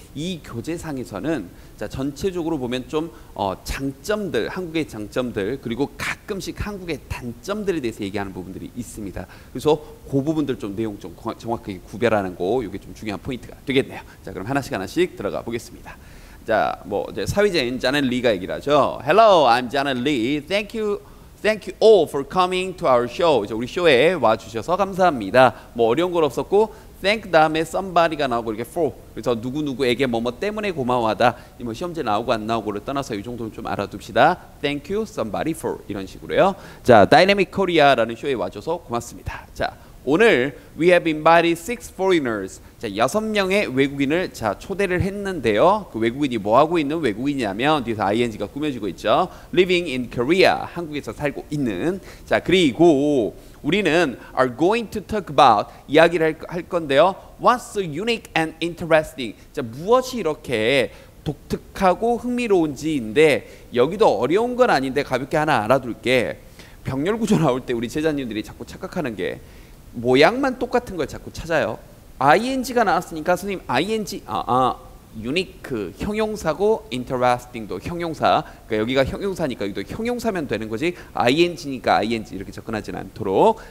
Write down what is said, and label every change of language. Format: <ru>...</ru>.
<ko>이 교재상에서는 자, 전체적으로 보면 좀 장점들, 한국의 장점들, 그리고 가끔씩 한국의 단점들에 대해서 얘기하는 부분들이 있습니다. 그래서 그 부분들 좀 내용 좀 정확하게 구별하는 거, 이게 좀 중요한 포인트가 되겠네요. 자, 그럼 하나씩 하나씩 들어가 보겠습니다. 자, 뭐 이제 사위제인 자넷 리가 얘기를 하죠.</ko> <en>Hello, I'm Janet Lee. Thank you all for coming to our show.</en> <ko>이제 우리 쇼에 와주셔서 감사합니다. 뭐 어려운 건 없었고, thank 다음에 somebody가 나오고 이렇게 for, 그래서 누구누구에게 뭐뭐 때문에 고마워하다, 뭐 시험지 나오고 안 나오고를 떠나서 이 정도는 좀 알아둡시다.</ko> <en>Thank you, somebody for,</en> <ko>이런 식으로요. 자, Dynamic Korea라는 쇼에 와줘서 고맙습니다. 자, 오늘</ko> <en>we have invited 6 foreigners.</en> <ko>자, 6명의 외국인을 자 초대를 했는데요. 그 외국인이 뭐 하고 있는 외국인이냐면, 뒤에서 ing가 꾸며지고 있죠.</ko> <en>Living in Korea,</en> <ko>한국에서 살고 있는. 자, 그리고 우리는</ko> <en>are going to talk about,</en> <ko>이야기를 할 건데요.</ko> <en>What's so unique and interesting?</en> <ko>자, 무엇이 이렇게 독특하고 흥미로운지인데, 여기도 어려운 건 아닌데 가볍게 하나 알아둘게. 병렬 구조 나올 때 우리 제자님들이 자꾸 착각하는 게, 모양만 똑같은 걸 자꾸 찾아요. ing가 나왔으니까 선생님 ing, 유니크 형용사고 interesting도 형용사, 그러니까 여기가 형용사니까 여기도 형용사면 되는 거지 ing니까 ing 이렇게 접근하진 않도록.</ko>